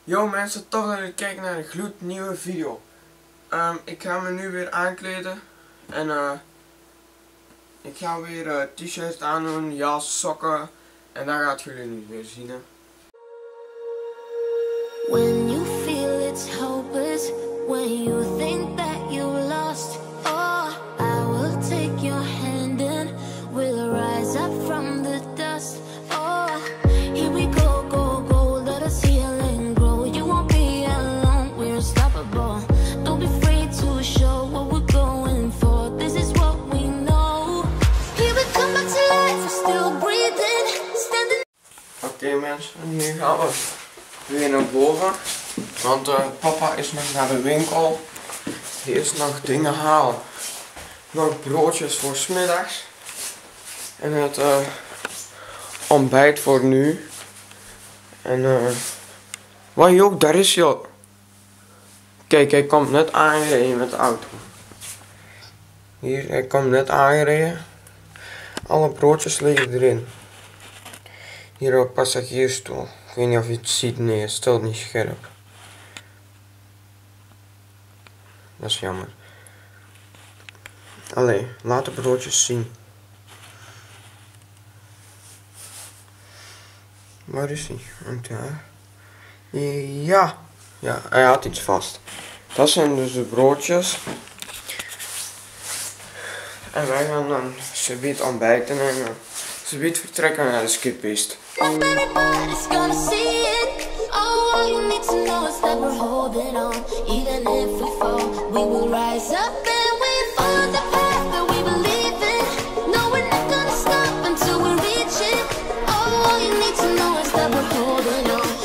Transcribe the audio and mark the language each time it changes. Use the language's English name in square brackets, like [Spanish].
[Dutch] mensen, tof dat jullie kijken naar een gloednieuwe video. Ik ga me nu weer aankleden. En ik ga weer t-shirt aandoen, jas, sokken. En dat gaat jullie nu weer zien. Hè. [English] When you feel it's hopeless, when you think that you lost, oh, I will take your hand and we'll rise up from the dust. Oh, here we go, go, go, let us heal and grow. You won't be alone, we're unstoppable. Don't be afraid to show what we're going for. This is what we know. Here we come back to life, we're still breathing, standing. [Dutch] Okay, mensen, hier gaan we. Weer naar boven, want papa is nog naar de winkel. Hij is nog dingen halen. Nog broodjes voor 's middags. En het ontbijt voor nu. En wat joh, daar is joh. Kijk, hij komt net aangereden met de auto. Hier, hij komt net aangereden. Alle broodjes liggen erin. Hier op passagiersstoel. Ik weet niet of je het ziet, nee, het stelt niet scherp. Dat is jammer. Allee, laat de broodjes zien. Waar is hij? Want ja. Ja, hij had iets vast. Dat zijn dus de broodjes. En wij gaan dan zobiet ontbijten en zobiet vertrekken naar de skipist. [English] If everybody's gonna see it, oh, all you need to know is that we're holding on. Even if we fall, we will rise up and we follow the path that we believe in. No, we're not gonna stop until we reach it. Oh, all you need to know is that we're holding on.